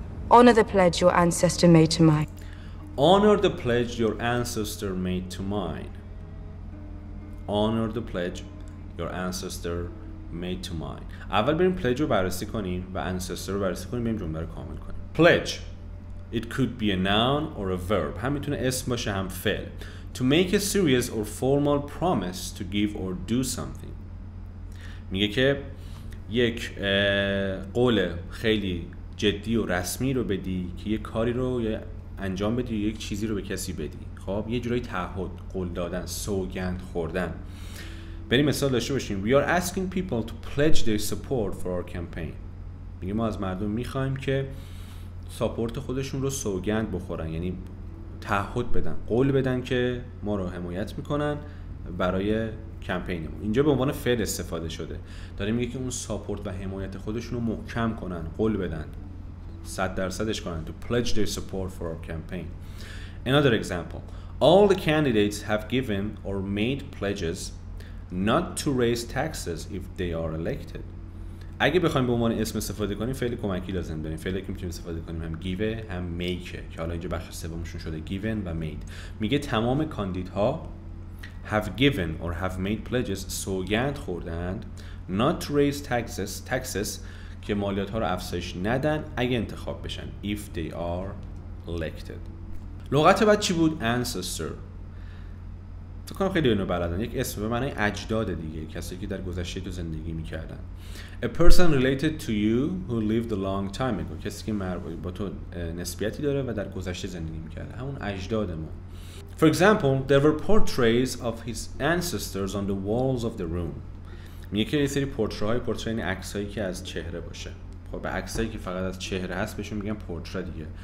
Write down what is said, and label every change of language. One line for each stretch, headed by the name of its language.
English: Honor the pledge your ancestor made to mine. Honor the pledge your ancestor made to mine. Honor the pledge your ancestor made to mine.
Persian: اول بریم پلیج رو بررسی کنیم و انسستر رو بررسی کنیم، بریم جمله رو کامل کنیم.
English: Pledge. It could be a noun or a verb.
Persian: هم میتونه اسم باشه هم فعل.
English: To make a serious or formal promise to give or do something.
Persian: میگه که یک قول خیلی جدی و رسمی رو بدی که یک کاری رو انجام بدی یا یک چیزی رو به کسی بدی. خب یه جورای تعهد، قول دادن، سوگند خوردن. بریم مثال داشته باشیم.
English: We are asking people to pledge their support for our campaign.
Persian: میگه ما از مردم میخواییم که ساپورت خودشون رو سوگند بخورن، یعنی تعهد بدن، قول بدن که ما رو حمایت میکنن برای کمپینمون. اینجا به عنوان فعل استفاده شده. داریم میگه که اون ساپورت و حمایت خودشون رو محکم کنن، قول بدن 100%ش کنن.
English: To pledge their support for our campaign. Another example. All the candidates have given or made pledges not to raise taxes if they are elected.
Persian: اگه بخوایم به عنوان اسم استفاده کنیم فعل کمکی لازم داریم. فعلی که میتونیم استفاده کنیم هم give هم make، که حالا اینجا بخش سومشون شده given و made. میگه تمام کاندیدها
English: have given or have made pledges،
Persian: سوگند خوردند،
English: not to raise taxes،
Persian: taxes که مالیات ها رو افزایش ندن اگه انتخاب بشن،
English: if they are elected.
Persian: لغت بعد چی بود؟ ancestor. تو کنم خیلی اینو بلدن، یک اسم به معنی اجداد دیگه، کسی که در گذشته تو زندگی میکردن.
English: A person related to you who lived a long time ago،
Persian: کسی که مربوط با تو نسبیتی داره و در گذشته زندگی میکرده، همون اجداد ما.
English: For example, there were portraits of his ancestors on the walls of the room.
Persian: میگه که یه سری پورتره‌های، پورتره یعنی عکسایی که از چهره باشه. خب عکسایی که فقط از چهره هست بهشون میگن پورتره دیگه.